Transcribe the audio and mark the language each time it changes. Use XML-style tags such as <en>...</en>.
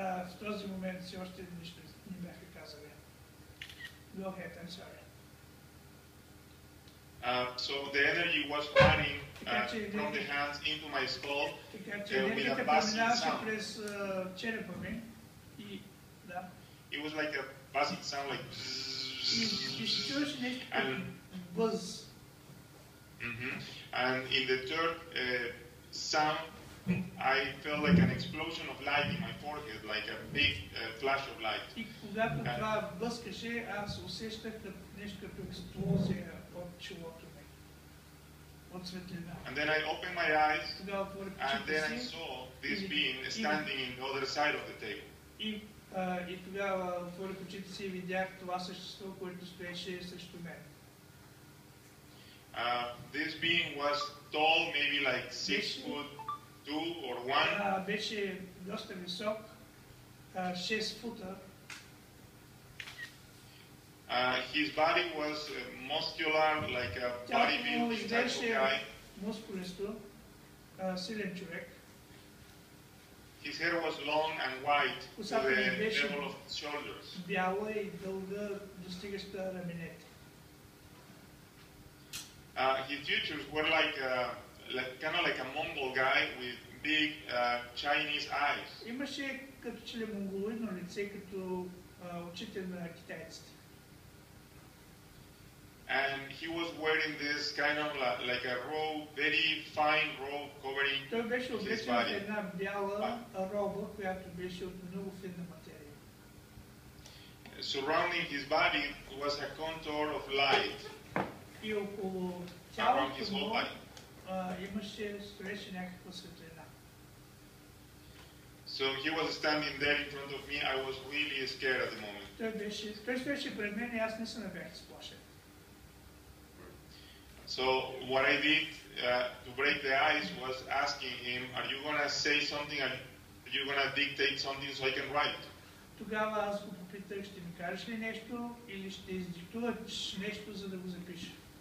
<bg>В този момент си още нищо не бяха казали.</bg> <en>Go ahead, I'm sorry. So the energy was running from the hands into my skull with a buzzing sound.</en> <bg>През черепа ми. И, да.</bg> <en>It was like a buzzing sound, like bzzz. And buzz. And in the third sound, I felt like an explosion of light in my forehead, like a big flash of light.</en> <bg>И когато това блъскаше, аз усещах нещо като експлозия от челото ми, от светлина.</bg> <en>And then I opened my eyes, and then I saw this being standing in the other side of the table.</en> <bg>И тогава отворих очите си и видях това същество, което стоеше срещу мен.</bg> <en>This being was tall, maybe like 6 foot 2 or 1.</en> <bg>Беше доста висок, 6 фута.</bg> <en>His body was muscular, like a bodybuilder type of guy.</en> <bg>Мускулисто, силен човек.</bg> <en>His hair was long and white to the level of shoulders.</en> <bg>Бяло и дълго достигаща раменете.</bg> <en>His features were like a Mongol guy with big Chinese eyes.</en> <bg>Имаше като че ли монголино лице, като очите на китайците.</bg> <en>And he was wearing this kind of like a robe, very fine robe covering his body.</en> <bg>Той беше облечен в една бяла роба, която беше от много фина материя.</bg> <en>Surrounding his body was a contour of light.</en> <bg>И около стоеше някаква светлина.</bg> <en>So he was standing there in front of me. I was really scared at the moment.</en> <bg>Той стоеше пред мен и аз не се бях сплашен.</bg> <en>So what I did to break the ice was asking him, are you gonna say something? Are you gonna dictate something so I can write?</en> <bg>Тогава аз го попитах, ще ми кажеш ли нещо или ще издиктуваш нещо, за да го запиша.</bg>